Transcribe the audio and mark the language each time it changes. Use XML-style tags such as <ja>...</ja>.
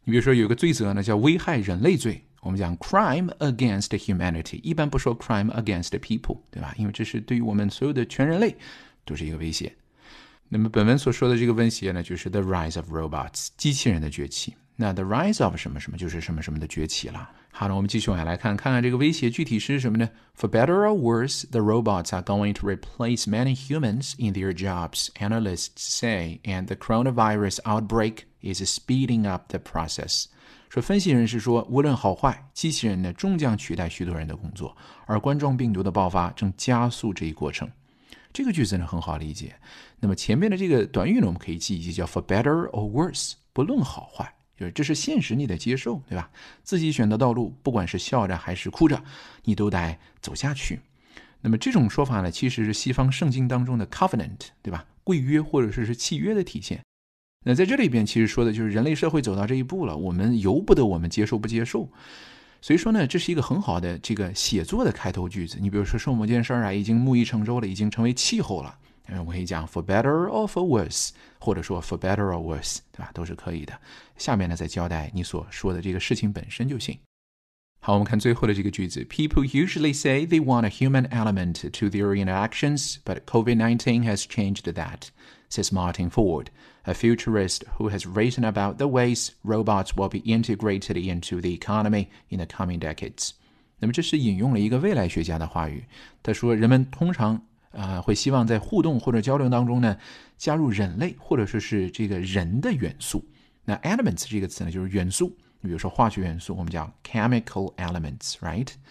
<zh>你比如说有一个罪责呢，叫危害人类罪，我们讲</zh> <en>crime against humanity，</en> <zh>一般不说</zh> <en>crime against people，</en> <zh>对吧？因为这是对于我们所有的全人类，都是一个威胁。那么本文所说的这个威胁呢，就是</zh> <en>the rise of robots,</en> <zh>机器人的崛起。那</zh> <en>the rise of</en> <zh>什么什么就是什么什么的崛起了。好了，我们继续往下来看，看看这个威胁具体是什么呢？</zh> <en>For better or worse, the robots are going to replace many humans in their jobs, analysts say, and the coronavirus outbreak is speeding up the process.</en> <zh>说分析人士说，无论好坏，机器人呢终将取代许多人的工作，而冠状病毒的爆发正加速这一过程。这个句子呢很好理解。那么前面的这个短语呢，我们可以记一记，叫</zh> <en>for better or worse,</en> <zh>不论好坏。就是这是现实，你得接受，对吧？自己选的道路，不管是笑着还是哭着，你都得走下去。那么这种说法呢，其实是西方圣经当中的 covenant, 对吧？贵约或者是契约的体现。那在这里边其实说的就是人类社会走到这一步了，我们由不得我们接受不接受。所以说呢，这是一个很好的这个写作的开头句子。你比如说说某件事啊，已经木已成舟了，已经成为气候了。我可以讲</zh> <en>for better or for worse,</en> <zh>或者说</zh> <en>for better or worse,</en> <zh>对吧，都是可以的。下面呢再交代你所说的这个事情本身就行。好，我们看最后的这个句子。</zh> <en>People usually say they want a human element to their interactions, but COVID-19 has changed that, says Martin Ford, a futurist who has written about the ways robots will be integrated into the economy in the coming decades.</en> <zh>那么这是引用了一个未来学家的话语，他说人们通常会希望在互动或者交流当中呢加入人类或者说是这个人的元素。那 elements 这个词呢就是元素，比如说化学元素，我们叫</zh> <en>chemical elements, right?</en>